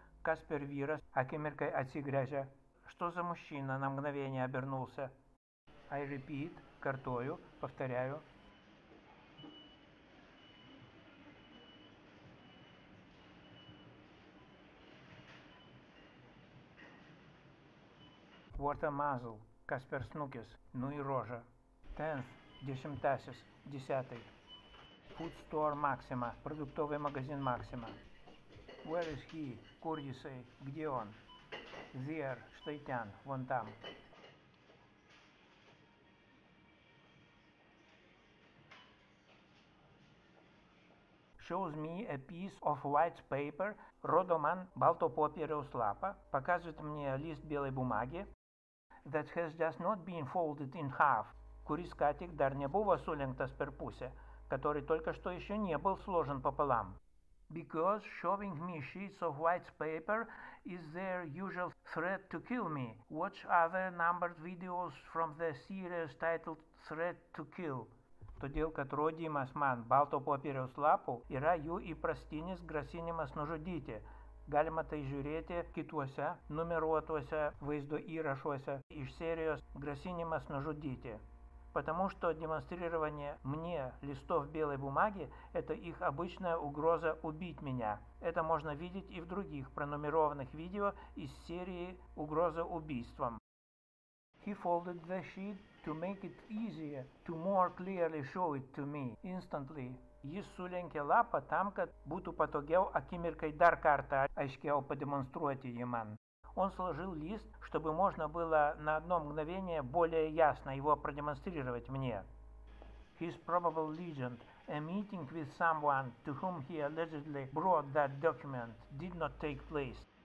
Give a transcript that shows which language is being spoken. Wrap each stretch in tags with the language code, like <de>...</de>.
<lt>Kas per vyras akimirkai atsigrėžia.</lt> <ru>Что за мужчина на мгновение обернулся?</ru> <en>I repeat,</en> <lt>картою,</lt> <ru>повторяю.</ru> <en>What a muzzle.</en> <lt>Kas per snukis.</lt> <ru>Ну и рожа.</ru> <en>Tenth.</en> <lt>Десятасис.</lt> <ru>Десятый.</ru> <en>Food store Maxima,</en> <ru>продуктовый магазин Maxima.</ru> <en>Where is he?</en> <lt>Kur jisai?</lt> <ru>Где он?</ru> <en>There,</en> <lt>štai ten,</lt> <ru>вон там.</ru> <en>Shows me a piece of white paper.</en> <lt>Rodo man balto popieriaus lapą.</lt> <ru>Показывает мне лист белой бумаги.</ru> <en>That has just not been folded in half.</en> <lt>Kuris ką tik dar nebuvo sulenktas per pusę.</lt> <ru>Который только что еще не был сложен пополам.</ru> <en>Because showing me sheets of white paper is their usual threat to kill me. Watch other numbered videos from the series titled Threat to Kill.</en> <lt>Todėl, kad rodymas man balto popieriaus lapų yra jų įprastinis grasinimas nužudyti. Galima tai žiūrėti kituose numeruotuose vaizdo įrašuose iš serijos grasinimas nužudyti.</lt> <ru>Потому что демонстрирование мне листов белой бумаги – это их обычная угроза убить меня. Это можно видеть и в других пронумерованных видео из серии «Угроза убийством».</ru> <en>He folded the sheet to make it easier to more clearly show it to me instantly.</en> <lt>Jis sulenkė lapą tam, kad būtų patogiau akimirkai dar kartą aiškiau pademonstruoti jį man.</lt> <ru>Он сложил лист, чтобы можно было на одно мгновение более ясно его продемонстрировать мне.</ru> <en>His probable legend, a meeting with someone to whom he allegedly brought that document, did not take place.</en>